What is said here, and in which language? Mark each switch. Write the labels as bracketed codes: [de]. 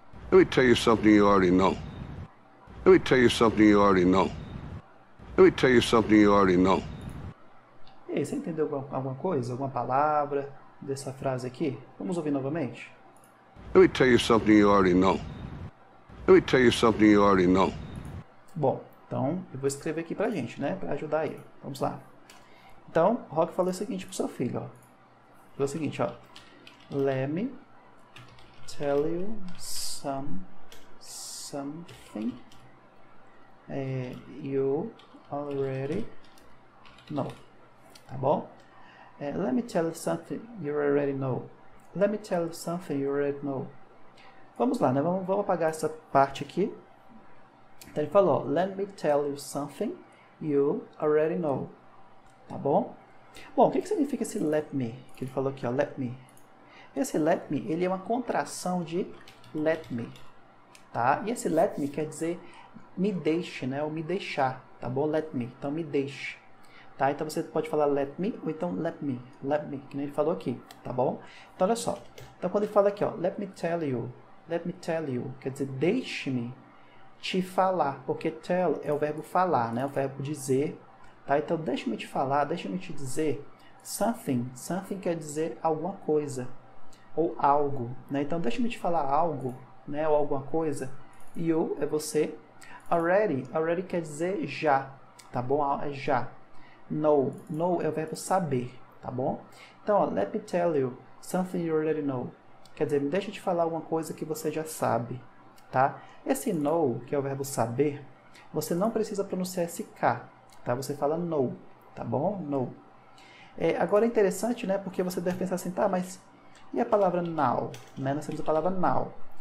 [en] Let me tell you something you already know. Let me tell you something you already know. Let me tell you something you already know. [pt] E aí, você entendeu alguma coisa, alguma palavra dessa frase aqui? Vamos ouvir novamente. [en] Let me tell you something you already know. Let me tell you something you already know. [pt] Bom, então eu vou escrever aqui pra gente, né? Pra ajudar aí. Vamos lá. Então, Rock falou o seguinte pro seu filho, ó. Falou o seguinte, ó. [en] Let me tell you something you already know. [pt] Tá bom? [en] Let me tell you something you already know. Let me tell you something you already know. [pt] Vamos lá, né? Vamos apagar essa parte aqui. Então ele falou, [en] let me tell you something you already know. [pt] Tá bom? Bom, o que significa esse let me? Que ele falou aqui, ó, let me. Esse let me, ele é uma contração de let me. Tá? E esse let me quer dizer me deixe, né? Ou me deixar. Tá bom? Let me. Então me deixe. Tá? Então você pode falar let me ou então let me. Let me, que nem ele falou aqui. Tá bom? Então olha só. Então quando ele fala aqui, ó, [en] let me tell you. Let me tell you. [pt] Quer dizer, deixe-me te falar. Porque tell é o verbo falar, né? O verbo dizer. Tá? Então deixe-me te falar, deixe-me te dizer something. Something quer dizer alguma coisa. Ou algo, né? Então, deixa eu te falar algo, né? Ou alguma coisa. You é você. Already. Already quer dizer já. Tá bom? É já. Know. Know é o verbo saber. Tá bom? Então, ó, [en] let me tell you something you already know. [pt] Quer dizer, deixa eu te falar alguma coisa que você já sabe. Tá? Esse know, que é o verbo saber, você não precisa pronunciar esse K. Tá? Você fala know. Tá bom? Know. É, agora, é interessante, né? Porque você deve pensar assim, tá, mas... E a palavra now, né? Nós temos a palavra now.